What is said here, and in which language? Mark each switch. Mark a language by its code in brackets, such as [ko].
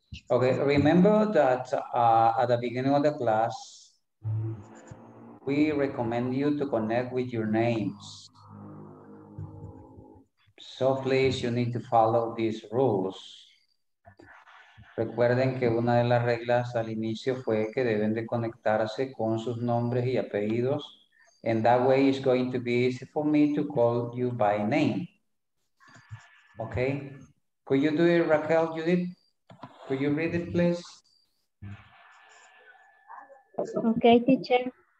[en] Okay, remember that at the beginning of the class, we recommend you to connect with your names. So please, you need to follow these rules. [es] Recuerden que una de las reglas al inicio fue que deben de conectarse con sus nombres y apellidos. [en] And that way it's going to be easy for me to call you by name. Okay. Could you do it, Raquel, Judith? Could you read it, please? Okay, teacher.